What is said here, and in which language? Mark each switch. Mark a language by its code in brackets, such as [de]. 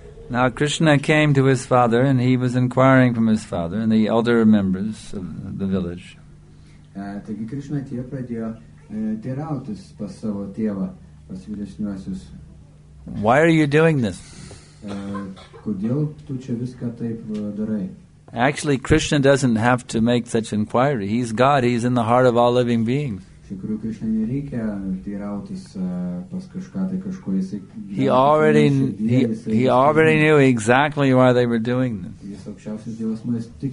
[en] Now Krishna came to his father and he was inquiring from his father and the elder members of the village. [lt] Taigi Krishna atėjo, pradėjo teirautis pas savo tėvą, pas vyresniuosius. [en] Why are you doing this? [lt] Kodėl tu čia viską taip darai? [en] Actually, Krishna doesn't have to make such inquiry. He's God. He's in the heart of all living beings. He already knew exactly why they were doing this.